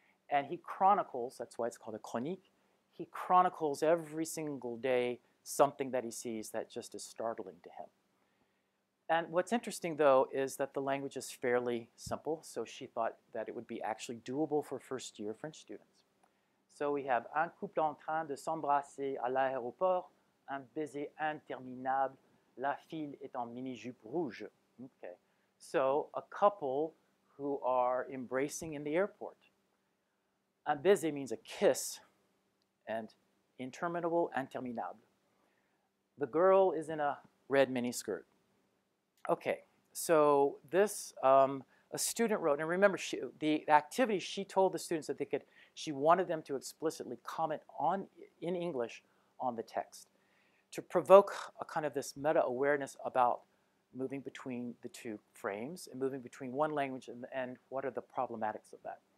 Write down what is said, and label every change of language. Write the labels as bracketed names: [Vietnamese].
[English] And he chronicles, that's why it's called a chronique, he chronicles every single day something that he sees that just is startling to him. And what's interesting, though, is that the language is fairly simple. So she thought that it would be actually doable for first-year French students. So we have [French] un couple en train de s'embrasser à l'aéroport, un baiser interminable, la fille est en mini-jupe rouge. [English] Okay. So a couple who are embracing in the airport. Un baiser means a kiss, and interminable, interminable. The girl is in a red miniskirt. Okay, so this, a student wrote, and remember, the activity she told the students that they could, she wanted them to explicitly comment on in English on the text, to provoke a kind of this meta-awareness about moving between the two frames and moving between one language and what are the problematics of that.